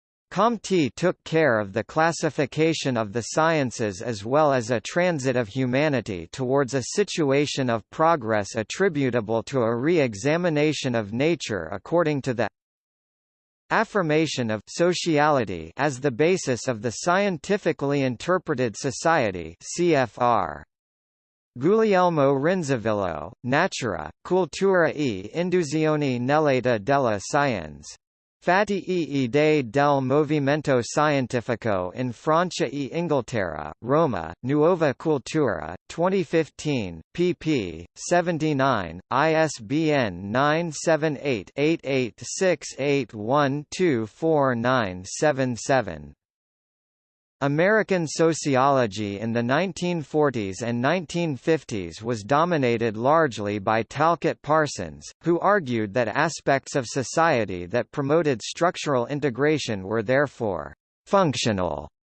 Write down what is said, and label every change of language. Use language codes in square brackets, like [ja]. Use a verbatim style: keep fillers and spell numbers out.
[en] Comte took care of the classification of the sciences as well as a transit of humanity towards a situation of progress attributable to a re-examination of nature according to the affirmation of sociality as the basis of the scientifically interpreted society C F R. [it] Guglielmo Rinzavillo, Natura, Cultura e Induzione nell'età della scienza. Fatti e idee del movimento scientifico in Francia e Inghilterra, Roma, Nuova Cultura, [en] twenty fifteen, [it] pp. [en] seventy-nine, I S B N nine seven eight, eight eight six eight one two four nine seven seven. American sociology in the nineteen forties and nineteen fifties was dominated largely by Talcott Parsons, who argued that aspects of society that promoted structural integration were therefore functional.